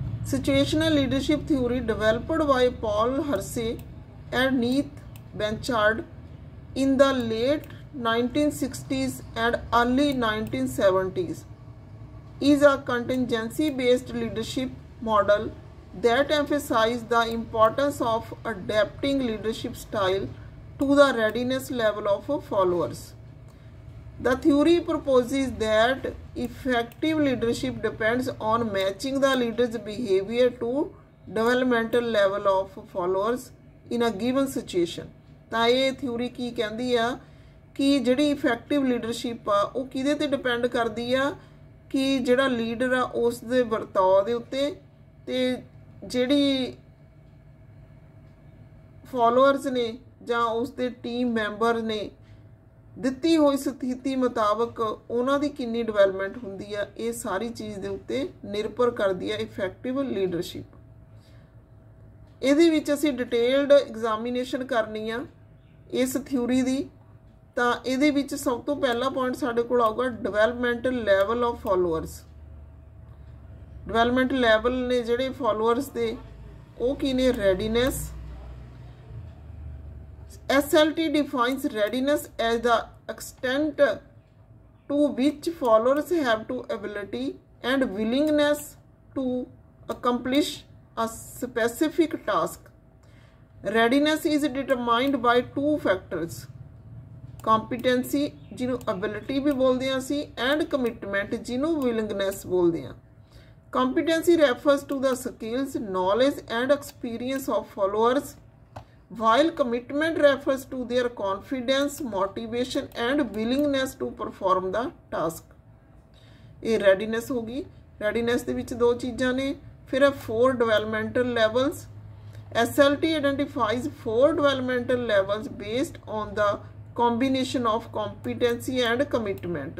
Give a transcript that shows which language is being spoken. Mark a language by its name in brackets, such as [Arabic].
[English] Situational leadership theory developed by Paul Hersey and Kenneth Blanchard in the late 1960s and early 1970s is a contingency based leadership model that emphasizes the importance of adapting leadership style to the readiness level of followers. The theory proposes that effective leadership depends on matching the leader's behavior to developmental level of followers in a given situation. [Punjabi] ਤਾਂ ਇਹ theory ਕੀ ਕਹਿੰਦੀ ਆ ਕਿ ਜਿਹੜੀ effective leadership ਆ ਉਹ ਕਿਹਦੇ 'ਤੇ ਡਿਪੈਂਡ ਕਰਦੀ ਆ ਕਿ ਜਿਹੜਾ ਲੀਡਰ ਆ ਉਸ ਦੇ ਵਰਤਾਓ ਦੇ ਉੱਤੇ ਅਤੇ ਜਿਹੜੀ ਫੋਲੋਅਰਸ ਨੇ ਜਾਂ ਉਸਦੇ ਟੀਮ ਮੈਂਬਰ ਨੇ ਦਿੱਤੀ ਹੋਈ ਸਥਿਤੀ ਮੁਤਾਬਕ ਉਹਨਾਂ ਦੀ ਕਿੰਨੀ ਡਿਵੈਲਪਮੈਂਟ ਹੁੰਦੀ ਆ ਇਹ ਸਾਰੀ ਚੀਜ਼ ਦੇ ਉੱਤੇ ਨਿਰਭਰ ਕਰਦੀ ਆ ਇਫੈਕਟਿਵ ਲੀਡਰਸ਼ਿਪ। ਇਹਦੇ ਵਿੱਚ ਅਸੀਂ ਡਿਟੇਲਡ ਐਗਜ਼ਾਮੀਨੇਸ਼ਨ ਕਰਨੀ ਆ ਇਸ ਥਿਊਰੀ ਦੀ, ਤਾਂ ਇਹਦੇ ਵਿੱਚ ਸਭ ਤੋਂ ਪਹਿਲਾ ਪੁਆਇੰਟ ਸਾਡੇ ਕੋਲ ਆਊਗਾ developmental level of followers. Development level ਨੇ ਜਿਹੜੇ ਫੋਲੋਅਰਸ ਦੇ ਉਹ ਕੀ ਨੇ? Readiness. [English] SLT defines readiness as the extent to which followers have to ability and willingness to accomplish a specific task. Readiness is determined by two factors, competency [Punjabi] ਜਿਹਨੂੰ ability ਵੀ ਬੋਲਦੇ ਹਾਂ [English] ਅਸੀਂ and commitment ਜਿਹਨੂੰ willingness ਬੋਲਦੇ ਹਾਂ। Competency refers to the skills, knowledge and experience of followers, while commitment refers to their confidence, motivation and willingness to perform the task. [Punjabi] ਇਹ readiness ਹੋ ਗਈ। ਰੈਡੀਨੈਸ ਦੇ ਵਿੱਚ ਦੋ ਚੀਜ਼ਾਂ ਨੇ, ਫਿਰ ਹੈ four developmental levels. [English] SLT identifies four developmental levels based on the combination of competency and commitment.